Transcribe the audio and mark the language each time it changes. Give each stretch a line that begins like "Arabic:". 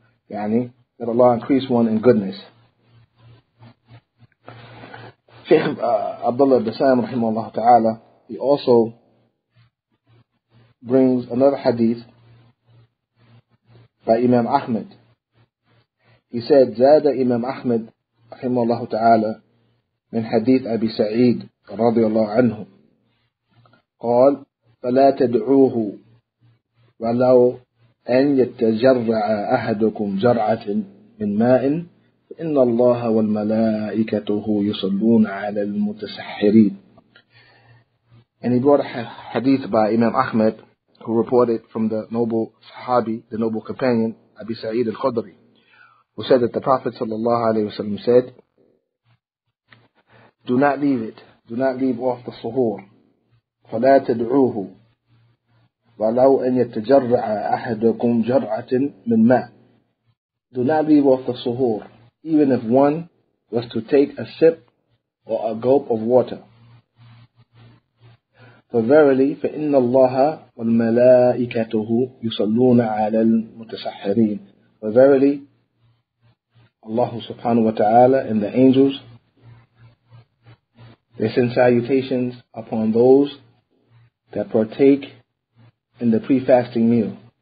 Arabic: يعني
English: that Allah increase one in goodness. شيخ عبد الله البسام
Arabic: رحمه الله تعالى,
English: he also brings another hadith by Imam Ahmed. He said,
Arabic: زاد إمام أحمد رحمه الله تعالى من حديث أبي سعيد رضي الله عنه قال, فلا تدعوه ولو أن يتجرع أحدكم جرعة من ماء, إن الله والملائكة يصلون على المتسحرين.
English: And he brought a hadith by Imam Ahmed, who reported from the noble Sahabi, the noble companion, Abi Sa'id al-Khudri, who said that the Prophet sallallahu alayhi wa sallam said, do not leave it, do not leave off the suhoor.
Arabic: فَلَا تَدْعُوهُ وَلَوْ أَنْ يَتَجَرَّعَ أَحَدَكُمْ جَرْعَةٍ مِنْ مَا.
English: Do not leave off the suhoor, even if one was to take a sip or a gulp of water. For verily,
Arabic: فَإِنَّ اللَّهَ وَالْمَلَائِكَتُهُ يُصَلُّونَ عَلَى الْمُتَسَحِّرِينَ.
English: For verily, Allah subhanahu wa ta'ala and the angels, they send salutations upon those that partake in the pre-fasting meal.